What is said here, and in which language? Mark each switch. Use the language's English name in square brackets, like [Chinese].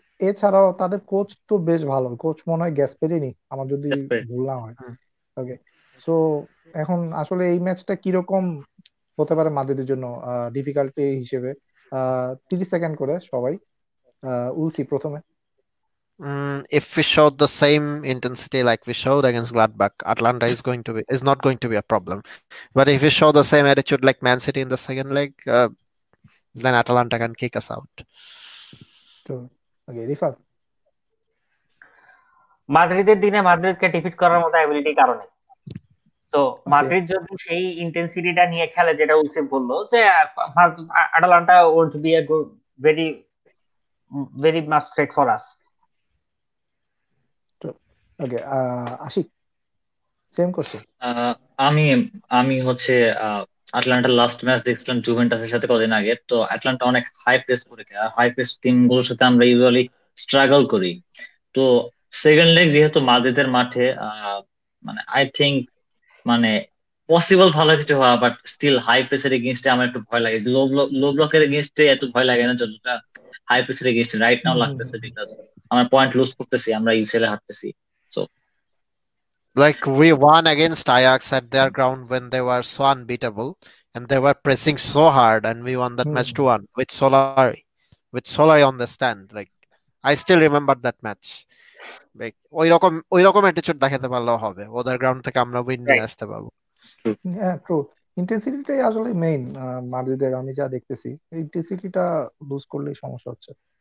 [Bangla] এছাড়াও তাদের কোচ তো বেশ ভালো, কোচ মনে হয় গ্যাসপেরিনি আমার যদি গ্যাসপেরিনি। ভুল না হয়। ওকে, সো এখন আসলে এই ম্যাচটা কিরকম হতে পারে মাদ্রিদের জন্য ডিফিকাল্টি হিসেবে, 30 সেকেন্ড করে সবাই, উলসি প্রথমে। [English] If we showed the same intensity like we showed against Gladbach, Atlanta is not going to be a problem. But if we show the same attitude like Man City in the second leg, then Atlanta can kick us out. Okay, Rifat. [Bangla] মাদ্রিদের দিনে মাদ্রিদকে defeat করার মতো ability কারো নেই। তো [English] Okay. [Bangla] Madrid যদি সেই ইন্টেন্সিটিটা নিয়ে খেলে যেটা উলসে বললো, যে [English] Atlanta won't be a good, very very much straight for us. [Bangla] Okay, Ashiq same question. আমি আমি হচ্ছে আটলান্টার লাস্ট ম্যাচ দেখছিলাম জুভেন্টাসের সাথে কদিন আগে। তো আটলান্টা অনেক হাই প্রেস করে খেলে, হাই প্রেস টিম গুলোর সাথে আমরা ইউজুয়ালি স্ট্রাগল করি। তো সেকেন্ড লেগ যেহেতু মাদ্রিদের মাঠে, মানে আই থিঙ্ক মানে পসিবল ভালো কিছু হওয়া, বাট স্টিল হাই প্রেসের এগেনস্টে আমার একটু ভয় লাগে। লো ব্লকের এগেনস্টে এত ভয় লাগে না যতটা হাই প্রেসের এগেনস্টে রাইট নাও লাগতেছে, বিকজ আমরা পয়েন্ট লুজ করতেছি, আমরা ইসেলে হারতেছি। [English] Like we won against Ajax at their ground when they were so unbeatable and they were pressing so hard, and we won that match 2-1 with Solari on the stand. Like I still remember that match. [Bangla] Like ওইরকম attitude দেখাতে পারলেও হবে, ওদের ground থেকে আমরা win নিয়ে আসতে পারবো। হ্যাঁ, ট্রু, ইন্টেন্সিটিটাই আসলে মেইন মাদ্রিদের, আমি যা দেখতেছি ইন্টেন্সিটিটা লুজ করলেই সমস্যা হচ্ছে।